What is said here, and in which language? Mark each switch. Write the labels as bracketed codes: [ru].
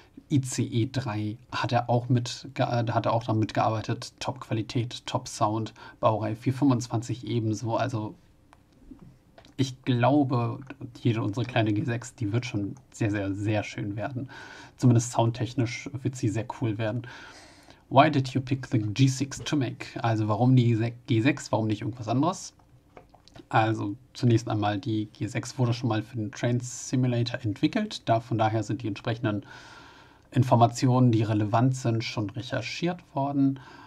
[de] ICE3 hat er auch mit, da hat er auch damit gearbeitet. Top-Qualität, Top-Sound, Baureihe 425 ebenso. Also ich glaube, jede unsere kleine G6, die wird schon sehr, sehr, sehr schön werden. Zumindest soundtechnisch wird sie sehr cool werden. [en] Why did you pick the G6 to make? [de] Also warum die G6, warum nicht irgendwas anderes? Also zunächst einmal, die G6 wurde schon mal für den Train Simulator entwickelt. Da, von daher sind die entsprechenden Informationen, die relevant sind, schon recherchiert worden.